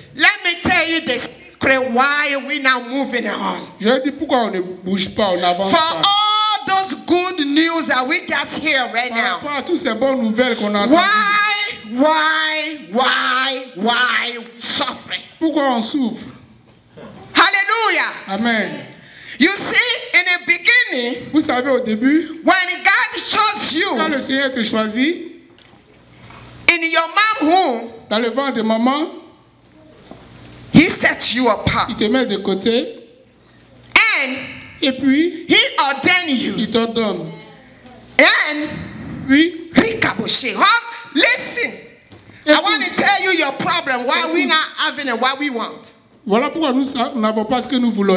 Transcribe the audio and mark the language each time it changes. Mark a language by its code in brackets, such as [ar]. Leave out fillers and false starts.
[en] let me tell you the secret why we now moving on. [fr] Je dis pourquoi on ne bouge pas, on avance [en] for [fr] pas. [en] For all those good news that we just hear right [fr] par [en] now. [fr] Par toutes ces bonnes nouvelles qu'on entend. [en] Why suffering? [fr] Pourquoi on souffre? Hallelujah. Amen. [en] You see, in the beginning, [fr] vous savez, au début, [en] when God chose you, [fr] quand le Seigneur te choisit, [en] in your mom womb, [fr] dans le ventre de maman, [en] he set you apart. [fr] Il te met de côté, [en] and [fr] et puis, [en] he ordained you. [fr] Il t'ordonne. [en] And [fr] oui, ricaboché. [en] Listen, et I want to tell you your problem. Why we not having it? What we want? [fr] Voilà pourquoi nous n'avons pas ce que nous voulons.